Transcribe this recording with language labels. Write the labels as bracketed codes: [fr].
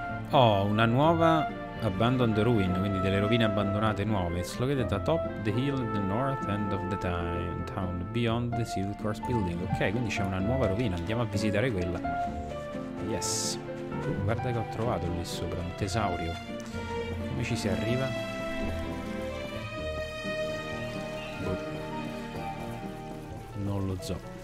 [it] Oh, una nuova Abandoned Ruin, quindi delle rovine abbandonate nuove. [en] It's located atop the hill at the north end of the town, beyond the Seal Course Building. [it] Ok, quindi c'è una nuova rovina, andiamo a visitare quella. Yes. Guarda che ho trovato lì sopra, un tesaurio. Come ci si arriva? Non lo so.